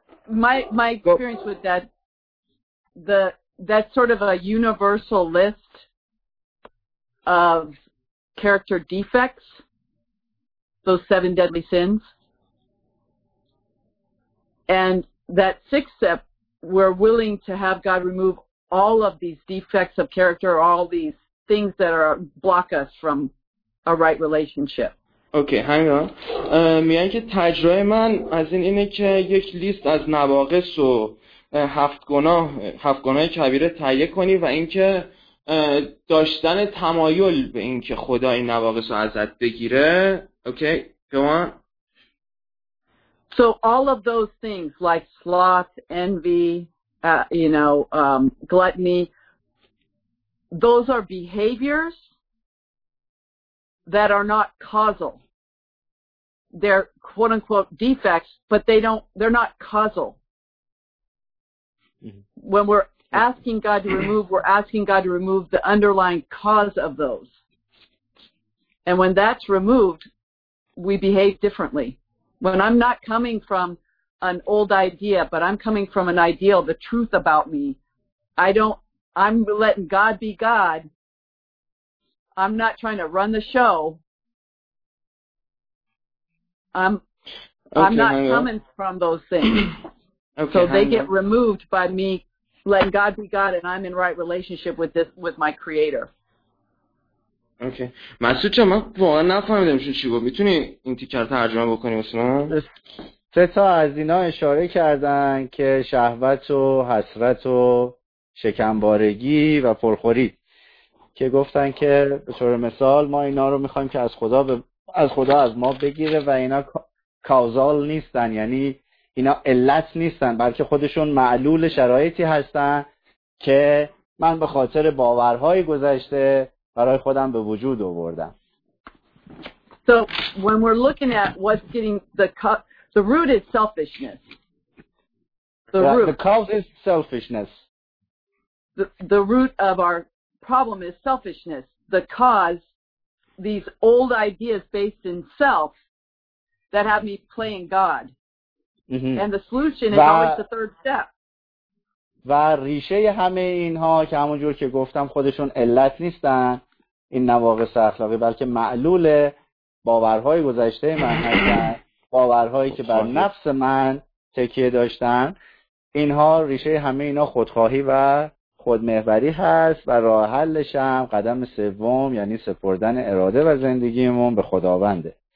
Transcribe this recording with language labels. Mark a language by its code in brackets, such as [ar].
[en] My experience with that, that's sort of a universal list of character defects, those 7 deadly sins. And that 6th step, we're willing to have God remove all of these defects of character, all these things that are block us from a right relationship. Okay هنگا [fa] میگن که تجربه من از این اینه که یک لیست از نواقص و هفت گناه کبیره تهیه کنی و اینکه داشتن تمایل به اینکه خدا این نواقص رو ازت بگیره. [en] Okay go on. So all of those things like sloth, envy, gluttony, those are behaviors that are not causal. They're quote unquote defects, but they're not causal. Mm-hmm. When we're asking God to remove, we're asking God to remove the underlying cause of those. And when that's removed, we behave differently. When I'm not coming from an old idea, but I'm coming from an ideal, the truth about me, I'm letting God be God. I'm not trying to run the show. I'm not coming from those things. Okay, so they get removed by me letting God be God, and I'm in right relationship with my creator. Okay. [fa] مسعود جان من واقعا نفهمیدم شون چی گفت. میتونی این تیکر ترجمه بکنی واسه من؟ 3 تا از اینا اشاره کردن که شهوت و حسرت و شکمبارگی و پرخوری که گفتن که به طور مثال ما اینا رو میخوایم که از خدا از ما بگیره و اینا کازال نیستن، یعنی اینا علت نیستن، بلکه خودشون معلول شرایطی هستن که من به خاطر باورهای گذشته برای خودم به وجود آوردم. [en] So when we're looking at what's getting the root is selfishness. The cause is selfishness. The root of our problem is selfishness. The cause, these old ideas based in self that have me playing God. Mm-hmm. And the solution is always the 3rd step. [fa] و ریشه همه اینها که همونجور که گفتم خودشون علت نیستن این نواقص اخلاقی، بلکه معلول باورهای گذشته من هستن، باورهایی که بر نفس من تکیه داشتن. اینها ریشه همه اینا خودخواهی و خودمحوری هست و راه حلش هم قدم 3 یعنی سپردن اراده و زندگیمون به خداونده.